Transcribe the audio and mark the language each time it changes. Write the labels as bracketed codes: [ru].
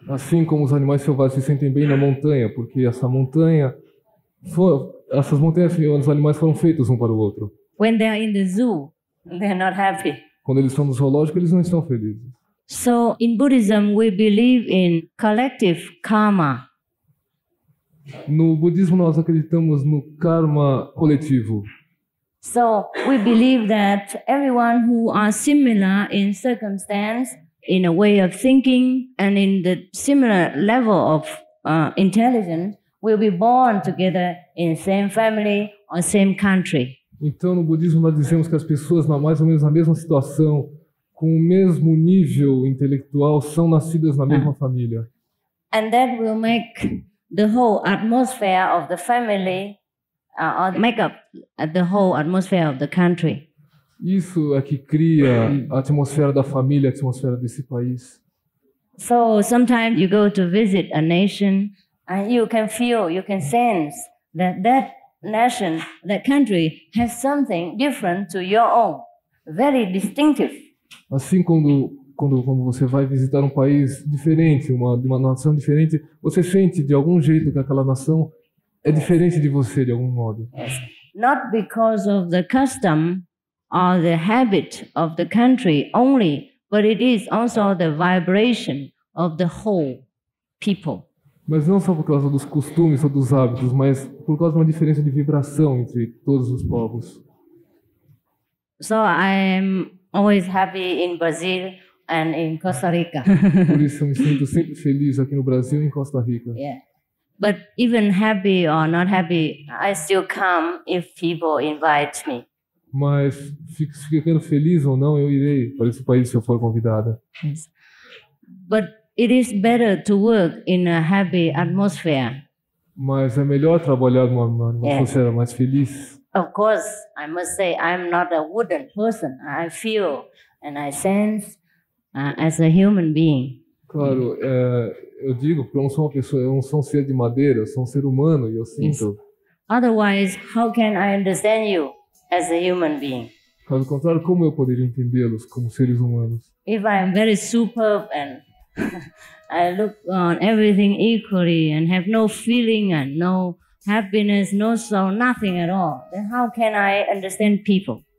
[pt] Assim como os animais selvagens se sentem bem na montanha, porque essas montanhas e os animais foram feitos um para o outro. [en] When they are in the zoo, they are not happy. [pt] Quando eles estão no zoológico, eles não estão felizes. [en] So in Buddhism, we believe in collective karma. [pt] No budismo nós acreditamos no karma coletivo. [en] So we believe that everyone who are similar in circumstance, in a way of thinking, and in the similar level of intelligence, will be born together in same family or same country. [pt] Então no budismo nós dizemos que as pessoas na mais ou menos na mesma situação, com o mesmo nível intelectual, são nascidas na mesma família. [en] And that will make the whole atmosphere of the family or make up the whole atmosphere of the country. [pt] Isso é que cria a atmosfera da família, a atmosfera desse país. [en] So sometimes you go to visit a nation and you can feel, you can sense that that nation, that country has something different to your own, very distinctive. [pt] Assim como quando você vai visitar um país diferente, uma nação diferente, você sente de algum jeito que aquela nação é diferente de você, de algum modo. [en] Not because of the custom or the habit of the country only, but it is also the vibration of the whole people. [pt] Mas não só por causa dos costumes ou dos hábitos, mas por causa de uma diferença de vibração entre todos os povos. [en] So I am always happy in Brazil and in Costa Rica. [pt] Por isso eu me sinto sempre feliz aqui no Brasil e em Costa Rica. [en] Yeah. But even happy or not happy, I still come if people invite me. [pt] Mas ficando feliz ou não, eu irei para esse país se eu for convidada. [en] Yes. But it is better to work in a happy atmosphere. [pt] Mas é melhor trabalhar numa atmosfera [en] yes. [pt] mais feliz. [en] Of course, I must say I'm not a wooden person. I feel and I sense as a human being. [pt] Claro, eu digo porque eu não sou uma pessoa, eu não sou um ser de madeira, eu sou um ser humano e eu sinto. [en] Yes. Otherwise, how can I understand you as a human being? [pt] Caso contrário, como eu poderia entendê-los como seres humanos? [en] If I'm very superb and I look on everything equally and have no feeling and no happiness, no soul, nothing at all, then how can I understand people?